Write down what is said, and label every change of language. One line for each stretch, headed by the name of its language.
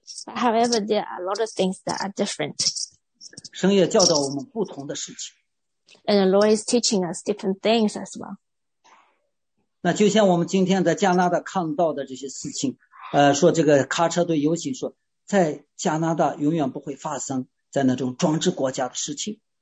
English: However, there are a lot of things that are different.
Chinese: 神也教导我们不同的事情。
English: And the Lord is teaching us different things as well.
Chinese: 那就像我们今天在加拿大看到的这些事情，说这个卡车队游行，说在加拿大永远不会发生在那种专制国家的事情。